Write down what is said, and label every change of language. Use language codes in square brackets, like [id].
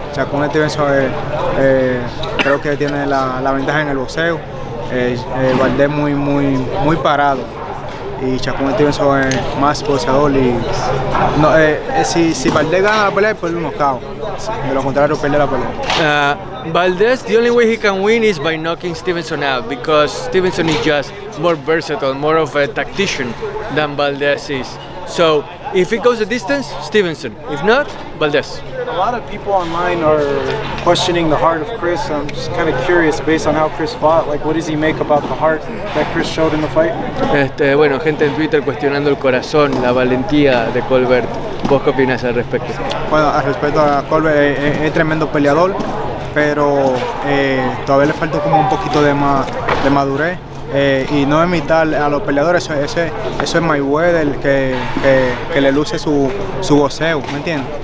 [es] Shakur Stevenson creo que tiene la ventaja en el boxeo. Valdez muy, muy, muy parado. Y Shakur Stevenson es más boxeador y no, si Valdez gana la pelea, pues lo cao. De lo contrario, pierde la pelea. [en] Valdez, the only way he can win is by knocking Stevenson out, because Stevenson is just more versatile, more of a tactician than Valdez is. So if it goes the distance, Stevenson. If not, Valdez. A lot of people online are questioning the heart of Chris. I'm just kind of curious, based on how Chris fought, like, what does he make about the heart that Chris showed in the fight? [es] Bueno, gente en Twitter cuestionando el corazón, la valentía de Colbert. ¿Vos qué opinas al respecto? Bueno, al respecto a Colbert, es tremendo peleador, pero todavía le falta como un poquito de madurez. Y no imitar a los peleadores, eso es Mayweather que le luce su boxeo, ¿me entiendes?